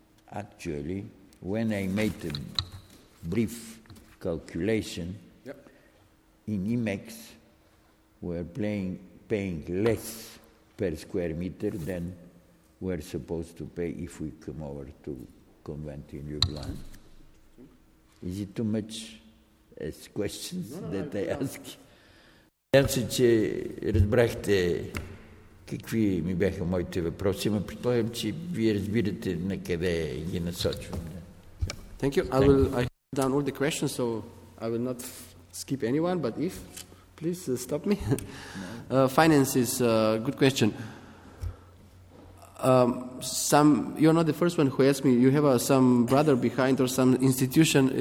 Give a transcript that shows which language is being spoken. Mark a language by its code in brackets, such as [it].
[en] Actually, when I made a brief calculation, in IMEX, we're paying less per square meter than we're supposed to pay if we come over to Convent in Ljubljana. Is it too much as questions I ask? [bg] Ясно, че разбрахте какви ми бяха моите въпроси, но предполагам, че вие разбирате на къде ги насочвам. [en] Thank you. I have down all the questions, so I will not skip anyone, but if, please stop me. Finance is a good question. You're not the first one who asked me. You have some brother behind or some institution.